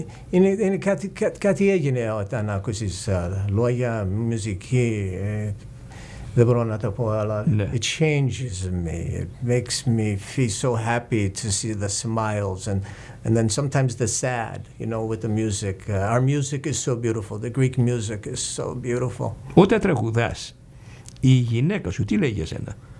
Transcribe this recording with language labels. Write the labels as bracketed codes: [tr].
[el] Είναι κάτι έγινε όταν ακούσεις λόγια, μουσική, δεν μπορώ να το πω, αλλά ναι. [en] It changes me. It makes me feel so happy to see the smiles and then sometimes the sad, you know, with the music. Our music is so beautiful. The Greek music is so beautiful. [el] Όταν τραγουδάς, η γυναίκα σου τι λέει για σένα?